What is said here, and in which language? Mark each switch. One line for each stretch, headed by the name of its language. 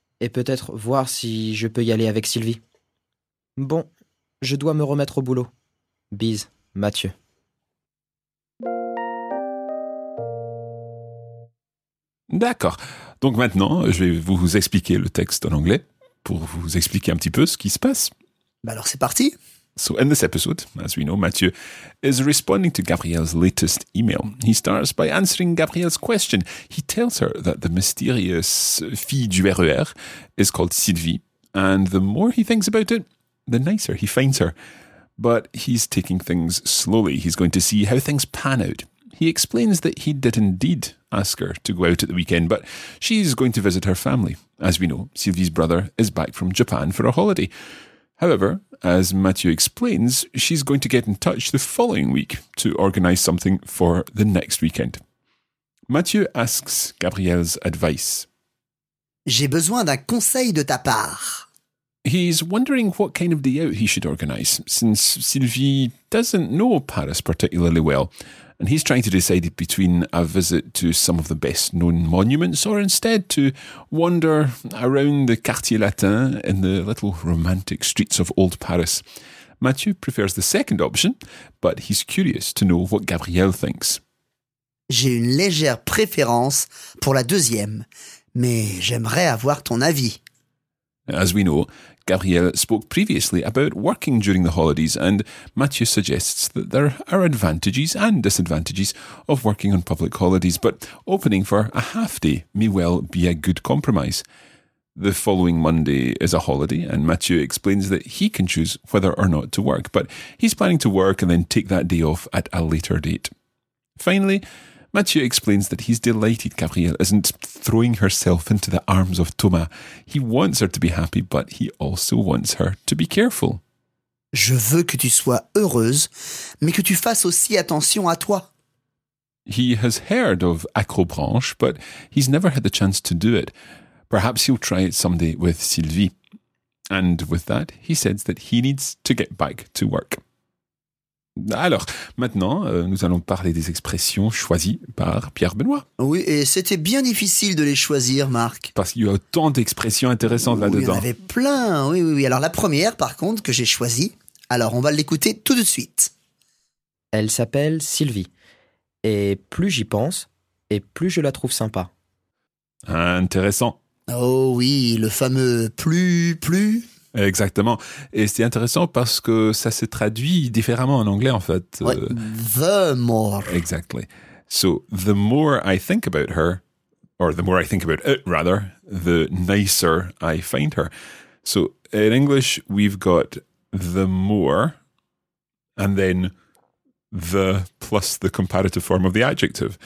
French: Et peut-être voir si je peux y aller avec Sylvie. Bon, je dois me remettre au boulot. Bise, Mathieu. D'accord. Donc maintenant, je vais vous expliquer le texte en anglais pour vous expliquer un petit peu ce qui se passe. Bah alors c'est parti.
English: So in this episode, as we know, Mathieu is responding to Gabrielle's latest email. He starts by answering Gabrielle's question. He tells her that the mysterious
French: fille du RER
English: is called Sylvie, and the more he thinks about it, the nicer he finds her. But he's taking things slowly. He's going to see how things pan out. He explains that he did indeed ask her to go out at the weekend, but she's going to visit her family. As we know, Sylvie's brother is back from Japan for a holiday. However, as Mathieu explains, she's going to get in touch the following week to organise something for the next weekend. Mathieu asks Gabrielle's advice.
French: J'ai besoin d'un conseil de ta part.
English: He's wondering what kind of day out he should organise, since Sylvie doesn't know Paris particularly well, and he's trying to decide between a visit to some of the best-known monuments or instead to wander around the Quartier Latin in the little romantic streets of old Paris. Mathieu prefers the second option, but he's curious to know what Gabrielle thinks.
French: J'ai une légère préférence pour la deuxième, mais j'aimerais avoir ton avis.
English: As we know, Gabrielle spoke previously about working during the holidays, and Mathieu suggests that there are advantages and disadvantages of working on public holidays, but opening for a half day may well be a good compromise. The following Monday is a holiday, and Mathieu explains that he can choose whether or not to work, but he's planning to work and then take that day off at a later date. Finally, Mathieu explains that he's delighted Gabrielle isn't throwing herself into the arms of Thomas. He wants her to be happy, but he also wants her to be careful.
French: Je veux que tu sois heureuse, mais que tu fasses aussi attention à toi.
English: He has heard of Acrobranche, but he's never had the chance to do it. Perhaps he'll try it someday with Sylvie. And with that, he says that he needs to get back to work.
French: Alors, maintenant, nous allons parler des expressions choisies par Pierre Benoît. Oui, et c'était bien difficile de les choisir, Marc. Parce qu'il y a tant d'expressions intéressantes là-dedans. Oui, il y en avait plein. Oui, oui, oui. Alors, la première, par contre, que j'ai choisie, alors on va l'écouter tout de suite. Elle s'appelle Sylvie. Et plus j'y pense, et plus je la trouve sympa. Intéressant. Oh oui, le fameux plus... Exactement. Et c'est intéressant parce que ça se traduit différemment en anglais, en fait. Ouais,
English: the more. Exactly. So, the more I think about her, or the more I think about it, rather, the nicer I find her. So, in English, we've got the more, and then the plus the comparative form of the adjective.